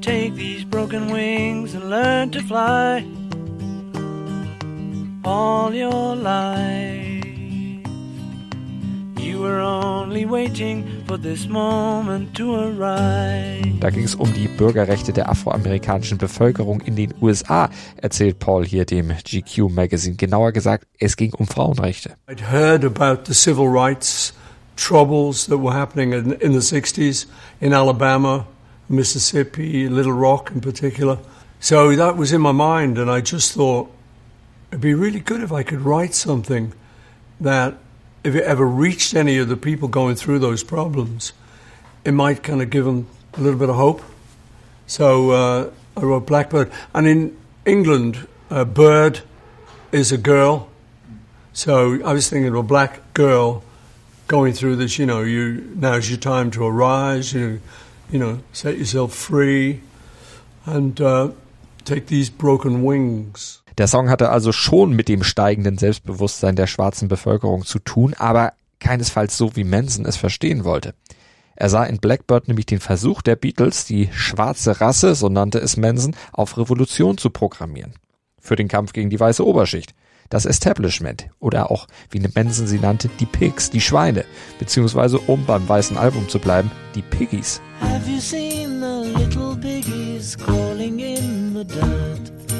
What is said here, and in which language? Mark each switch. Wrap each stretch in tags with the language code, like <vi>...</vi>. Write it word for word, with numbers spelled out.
<en>Take these broken wings and learn to fly. All your life you were only waiting for this moment to arrive.</en> <de>Da ging es um die Bürgerrechte der afroamerikanischen Bevölkerung in den U S A, erzählt Paul hier dem G Q Magazine. Genauer gesagt, es ging um Frauenrechte.</de> <en>I'd heard about the civil rights troubles that were happening in, in the sixties in Alabama, Mississippi, Little Rock in particular. So that was in my mind and I just thought it'd be really good if I could write something that, if it ever reached any of the people going through those problems, it might kind of give them a little bit of hope. So uh, I wrote Blackbird. And in England, uh, bird is a girl. So I was thinking of a black girl going through this, you know, you now's your time to arise, you, you know, set yourself free and uh, take these broken wings.</en> <de>Der Song hatte also schon mit dem steigenden Selbstbewusstsein der schwarzen Bevölkerung zu tun, aber keinesfalls so, wie Manson es verstehen wollte. Er sah in Blackbird nämlich den Versuch der Beatles, die schwarze Rasse, so nannte es Manson, auf Revolution zu programmieren. Für den Kampf gegen die weiße Oberschicht, das Establishment oder auch, wie Manson sie nannte, die Pigs, die Schweine, beziehungsweise, um beim weißen Album zu bleiben, die Piggies.</de> <en>Have you seen the little piggies crawling in the dirt?</en>